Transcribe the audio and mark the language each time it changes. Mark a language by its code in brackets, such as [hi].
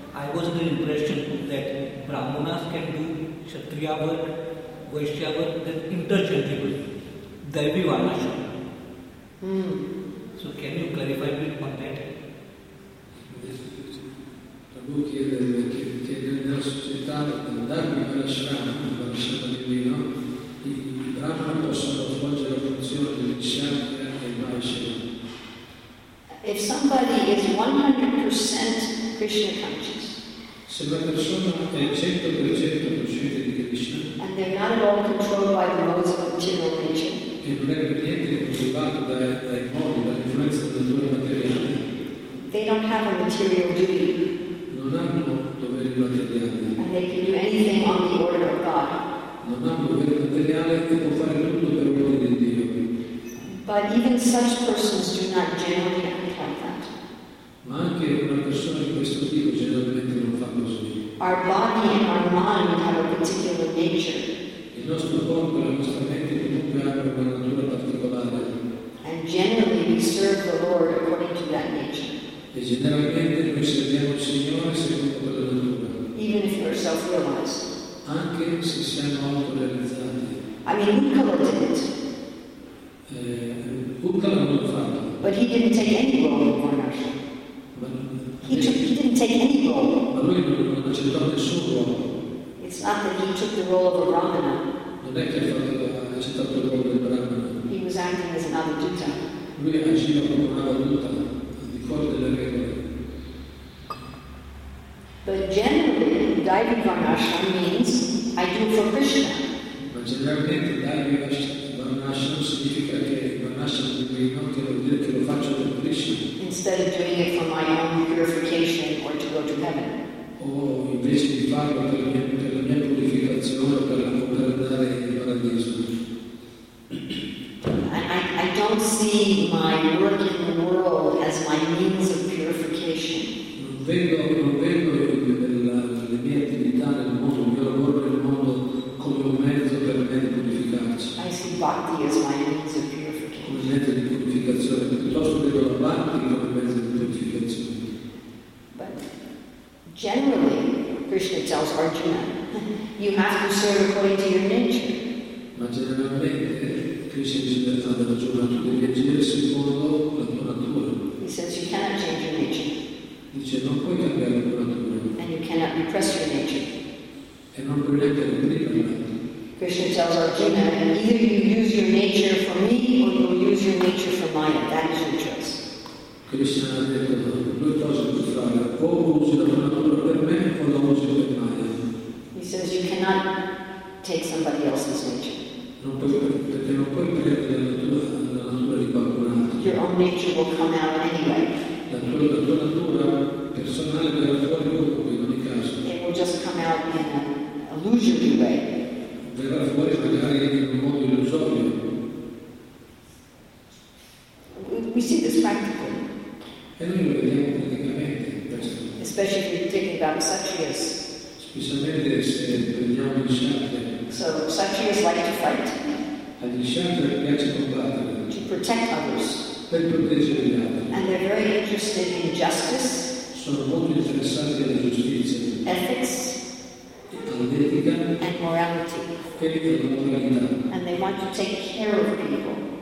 [en] I was under the impression that Brahmanas can do Kshatriya work, Vaishya work, then interchangeable. Daivi Varnashram. So can you clarify me on that? [it] Prabhu chiede che nella società del Dharma Varnashram, il Varnashram divino, i Brahman possono svolgere la funzione del Kshatriya e Vaishya. [en] If somebody is 100% Krishna conscious, [it] se una persona è 100% cosciente di Krishna, [en] and they're not at all controlled by the modes of material nature, [it] e non è per niente controllato dai modi, dall'influenza del mondo materiale, [en] they don't have a material duty, [it] non hanno doveri materiali, [en] and they can do anything on the order of God, [it] non hanno doveri materiali e può fare tutto per l'ordine di Dio. [en] But even such persons do not generally act like that. [it] Ma anche una persona di questo tipo generalmente non fa così. [en] Our body and our mind have a particular nature. [it] Il nostro corpo e la nostra mente comunque hanno una natura particolare. [en] And generally we serve the Lord according to that nature. [it] E generalmente noi serviamo il Signore secondo quella natura. [en] Even if we're self-realized. [it] Anche se siamo autorealizzati. [en] I mean, Uttala did it. But he didn't take any role in Varnashram. He didn't take any role. [it] Ma lui non ha accettato nessun ruolo. [en] It's not that he took the role of a Brahmana. [it] Non è che ha accettato il ruolo del Brahmana. [en] He was acting as an avaduta. [it] Lui agiva come un avaduta di fuori delle regole. [en] But generally, Daivi Varnashram means I do for Krishna. [it] Ma generalmente Daivi Varnashram significa che [en] instead of doing it for my own purification or to go to heaven. [it] Oh, invece di farlo per la mia purificazione, per andare in paradiso. [en] I don't see my work in the world as my means of purification. [it] Non vedo le mie attività nel mondo, il mio lavoro nel mondo come un mezzo per me di purificarci. [en] I see bhakti as my means of [it] di purificazione, piuttosto che la bhakti come mezzo di purificazione. [en] But generally, Krishna tells Arjuna, you have to serve according to your nature. [it] Ma generalmente Krishna dice ad Arjuna, tu devi agire secondo la tua natura. [en] He says you cannot change your nature. [it] Dice non puoi cambiare la tua natura. [en] And you cannot repress your nature. [it] E non puoi neanche reprimerla. [en] Krishna tells Arjuna, either you use your nature for me or you use your nature for Maya. That is your choice. [it] Krishna ha detto due cose per fare. O usi la natura per me o la usi per Maya. [en] He says you cannot take somebody else's nature. [it] Non puoi prendere la natura di qualcun altro. [en] Your own nature will come out anyway. [it] La tua natura personale verrà fuori comunque in ogni caso. [en] It will just come out in an illusory way. [it] Verrà fuori magari in un modo illusorio. [en] We see this practically. [it] E noi lo vediamo praticamente questo. [en] Especially if you think about Kshatriyas. [it] Specialmente se prendiamo gli Kshatriya. [en] So Kshatriyas like to fight. [it] Agli Kshatriya piace combattere. [en] To protect others. [it] Per proteggere gli altri. [en] And they're very interested in justice. [it] Sono molto interessati alla giustizia. [en] Ethics. [it] All'etica. [en] And morality. And they want to take care of people.